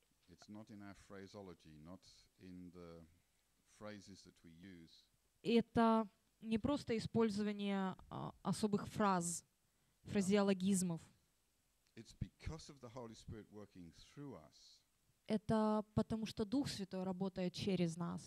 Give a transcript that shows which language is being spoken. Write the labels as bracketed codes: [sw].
[en] It's not in our phraseology, not in the phrases that we use. [ru] Это не просто использование особых фраз, фразеологизмов. [en] It's because of the Holy Spirit working through us. [ru] Это потому что Дух Святой работает через нас.